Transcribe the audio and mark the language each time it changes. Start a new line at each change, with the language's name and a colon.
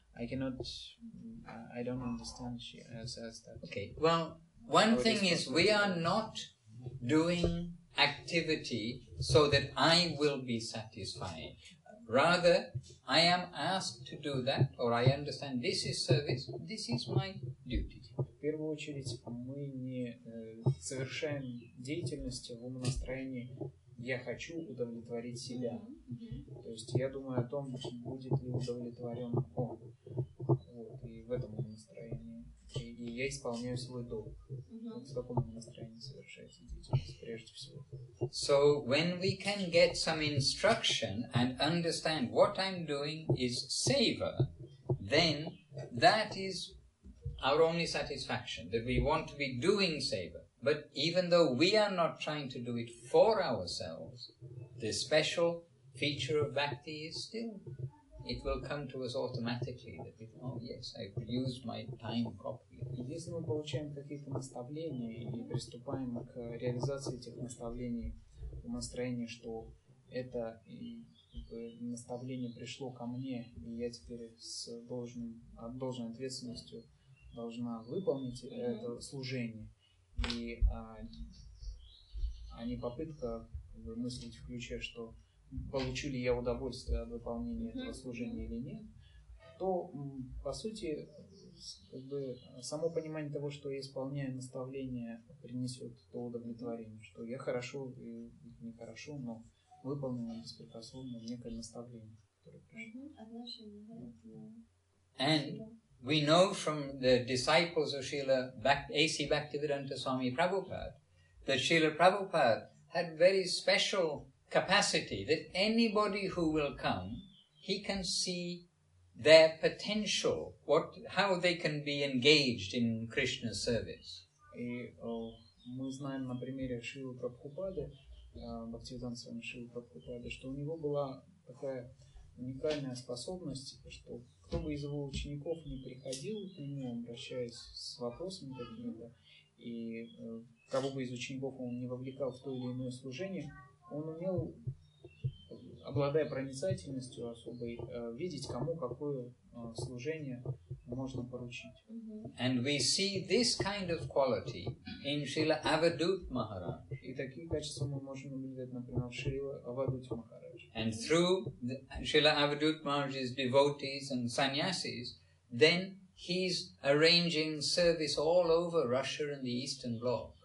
English: I cannot, I don't understand, she says that. Okay, well, one thing is we are not doing activity so that I will be satisfied. Rather, I am asked to do that, or I understand this is service, this is my duty.
Russian: В первую очередь, мы не совершаем деятельности в умонастроении «я хочу удовлетворить себя». То есть я думаю о том, будет ли удовлетворен он. Вот, и в этом умонастроении. И я исполняю свой долг. В таком настроении совершается деятельность прежде всего.
English: So when we can get some instruction and understand what I'm doing is seva, then that is our only satisfaction, that we want to be doing seva. But even though we are not trying to do it for ourselves, the special feature of bhakti is still, it will come to us automatically, that it, oh yes, I've used my time properly.
Russian: Если мы получаем какие-то наставления и приступаем к реализации этих наставлений в настроении, что это наставление пришло ко мне, и я теперь с должной ответственностью должна выполнить это служение, и а не попытка мыслить в ключе, что получу ли я удовольствие от выполнения этого служения или нет, то, по сути, как бы само понимание того, что я исполняю наставление, принесет то удовлетворение, что я хорошо и нехорошо, но выполнил беспрекословно некое наставление, которое пришло.
English: And we know from the disciples of Srila A.C. Bhaktivedanta Swami Prabhupada that Srila Prabhupada had very special capacity that anybody who will come, he can see their potential, what, how they can be engaged in Krishna's service.
Russian: И мы знаем на примере Шрилы Прабхупады, Бхактивиданта Свами Шрилы Прабхупады, что у него была такая уникальная способность, что кто бы из его учеников не приходил к нему, обращаясь с вопросами какими-то, и кого бы из учеников он не вовлекал в то или иное служение, он умел, обладая проницательностью особой, видеть, кому какое служение можно поручить.
English: And we see this kind of quality in Srila Avadhut Maharaj.
Russian: И такие качества мы можем увидеть, например, в Шриле Авадхуте Махарадже.
English: And through Srila Avadhut Maharaj's devotees and sannyasis, then he's arranging service all over Russia and the Eastern Bloc.